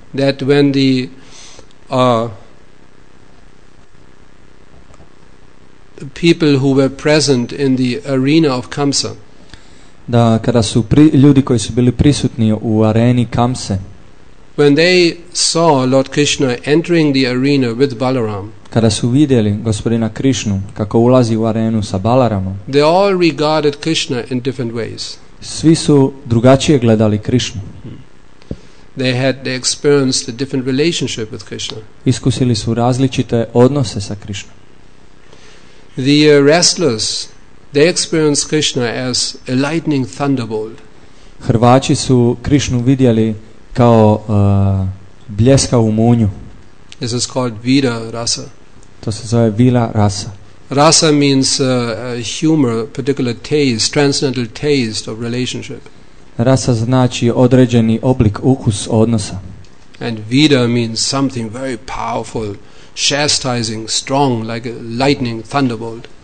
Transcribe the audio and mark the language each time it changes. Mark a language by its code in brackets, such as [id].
[en] That when the people who were present in the arena of Kamsa. [hr] Da kada su ljudi koji su bili prisutni u areni Kamse. [en] When they saw Lord Krishna entering the arena with Balaram. [hr] Kada su vidjeli gospodina Krishnu kako ulazi u arenu sa Balaramom. [en] They all regarded Krishna in different ways. [hr] Svi su drugačije gledali Krishnu. [en] They had experienced a different relationship with Krishna. [hr] Iskusili su različite odnose sa Krishnom. [en] The wrestlers, they experienced Krishna as a lightning thunderbolt. [hr] Hrvači su Krishnu vidjeli kao bljeska u munju. [en] This is called Vira Rasa. [hr] To se zove Vira Rasa. [en] Rasa means humor, particular taste, transcendental taste of relationship. [hr] Rasa znači određeni oblik, ukus odnosa. [en] And Vida means something very powerful, chastising, strong, like a lightning thunderbolt.